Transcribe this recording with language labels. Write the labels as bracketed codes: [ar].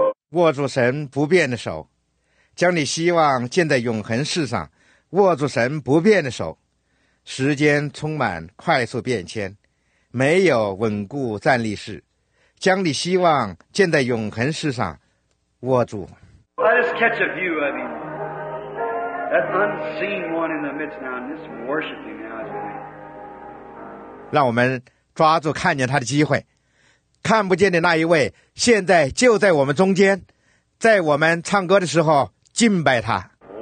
[zh] 握住神不变的手，将你希望建在永恒世上。握住神不变的手，时间充满快速变迁，没有稳固站立式。将你希望建在永恒世上，握住。 [en] I just catch a view of him, that unseen one in the midst now, and just worship him now. [zh] 让我们抓住看见他的机会，看不见的那一位现在就在我们中间，在我们唱歌的时候敬拜他。